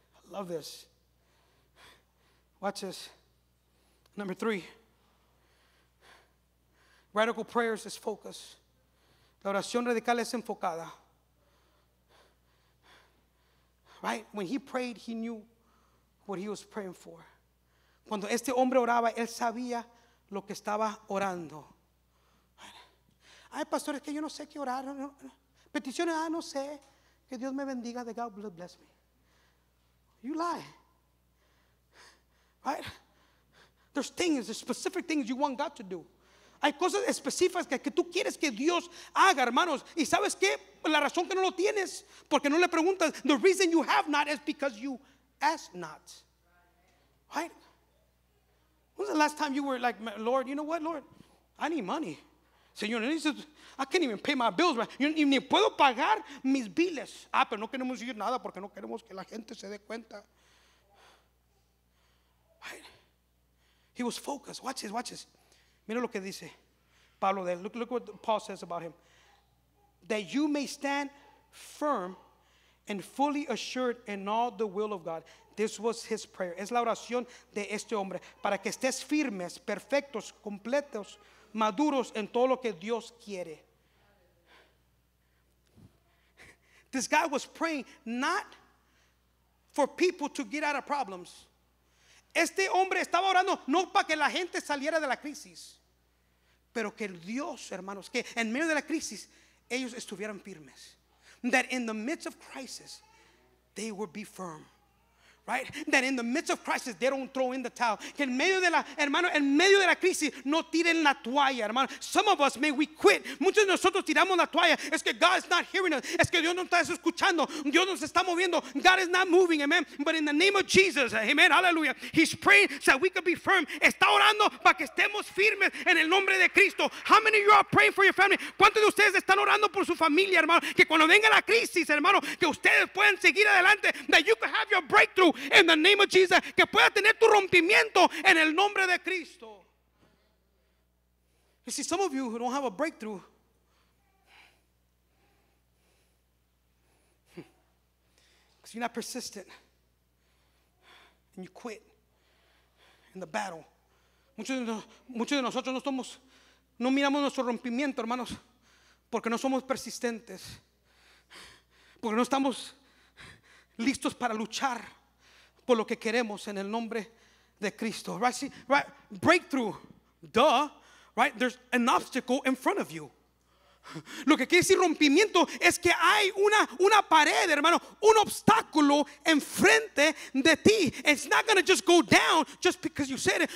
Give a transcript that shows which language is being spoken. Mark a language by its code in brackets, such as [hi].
[en] Love this. Watch this. Number three. Radical prayers is focus. [es] La oración radical es enfocada. [en] Right? When he prayed, he knew what he was praying for. [es] Cuando este hombre oraba, él sabía lo que estaba orando. Ay, pastor, es que yo no sé qué orar. Peticiones, no sé. Que Dios me bendiga. [en] That God bless me. You lie. Right? There's things, there's specific things you want God to do. [es] Hay cosas específicas que tú quieres que Dios haga, hermanos. ¿Y sabes qué? La razón que no lo tienes, porque no le preguntas. [en] The reason you have not is because you ask not. Right? When's the last time you were like, Lord, you know what, Lord? I need money. [es] Señor, [en] I can't even pay my bills. [es] Ni puedo pagar mis biles. Ah, pero no queremos decir nada porque no queremos que la gente se dé cuenta. [en] He was focused. Watch this, watch this. [es] Mira lo que dice Pablo. [en] Look what Paul says about him. That you may stand firm and fully assured in all the will of God. This was his prayer. [es] Es la oración de este hombre. Para que estés firmes, perfectos, completos, maduros en todo lo que Dios quiere. [en] This guy was praying not for people to get out of problems. [es] Este hombre estaba orando no para que la gente saliera de la crisis, pero que Dios, hermanos, que en medio de la crisis ellos estuvieran firmes. [en] That in the midst of crisis they would be firm. Right? That in the midst of crisis, they don't throw in the towel. [es] Que en medio de la, hermano, en medio de la crisis, no tiren la toalla, hermano. [en] Some of us, may we quit. [es] Muchos de nosotros tiramos la toalla. Es que [en] God is not hearing us. [es] Es que Dios no está escuchando. Dios nos está moviendo. [en] God is not moving, amen. But in the name of Jesus, amen, hallelujah. He's praying so we could be firm. [es] Está orando para que estemos firmes en el nombre de Cristo. [en] How many of you are praying for your family? [es] ¿Cuántos de ustedes están orando por su familia, hermano? Que cuando venga la crisis, hermano, que ustedes puedan seguir adelante. [en] That you could have your breakthrough. In the name of Jesus, [es] que pueda tener tu rompimiento en el nombre de Cristo. [en] You see, some of you who don't have a breakthrough, because you're not persistent, and you quit, in the battle. [es] Muchos de nosotros no somos, no miramos nuestro rompimiento, hermanos, porque no somos persistentes, porque no estamos listos para luchar por lo que queremos en el nombre de Cristo. [en] Right? See, right? Breakthrough. Duh. Right? There's an obstacle in front of you. [es] Lo que quiere decir rompimiento es que hay una pared, hermano, un obstáculo enfrente de ti. [en] It's not going to just go down just because you said it.